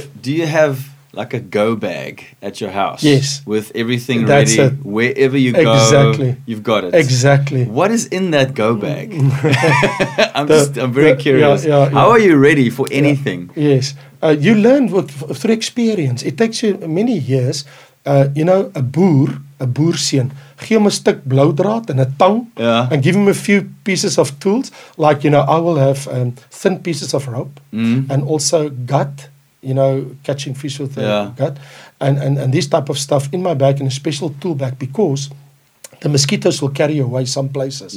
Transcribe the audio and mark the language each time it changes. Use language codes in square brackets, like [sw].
[en] So do you have like a go bag at your house? Yes. With everything that's ready, wherever you go, exactly, you've got it. Exactly. What is in that go bag? I'm very curious. Yeah. How are you ready for anything? Yeah. Yes. You learn through experience. It takes you many years. You know, a [af] boerseun, gee hem 'n stuk bloudraad en 'n tang, [en] yeah, and give him a few pieces of tools. Like, you know, I will have thin pieces of rope, and also gut, you know, catching fish with the gut, and this type of stuff in my bag, in a special tool bag, because the mosquitoes will carry away some places.